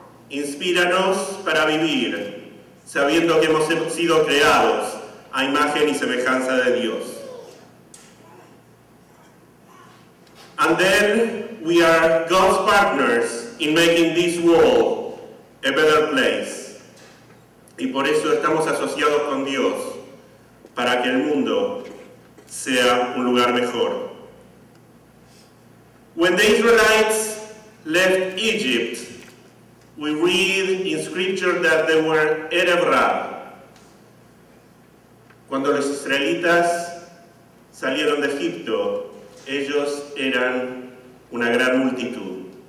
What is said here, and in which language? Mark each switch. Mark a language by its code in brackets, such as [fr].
[es] Inspíranos para vivir, sabiendo que hemos sido creados a imagen y semejanza de Dios. [en] And then we are God's partners in making this world a better place. [es] Y por eso estamos asociados con Dios, para que el mundo sea un lugar mejor. [en] When the Israelites left Egypt, we read in Scripture that they were Erev Rab. [es] Cuando los israelitas salieron de Egipto, ellos eran una gran multitud.